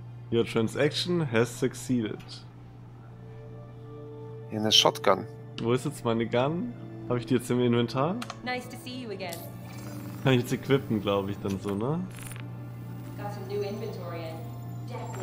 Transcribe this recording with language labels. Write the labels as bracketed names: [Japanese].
[English] Your transaction has succeeded. In a shotgun. [German] Wo ist jetzt meine Gun? Habe ich die jetzt im Inventar? [English] Nice to see you again. [German] Kann ich jetzt equippen, glaube ich, dann so, ne? [English] Got some new inventory in.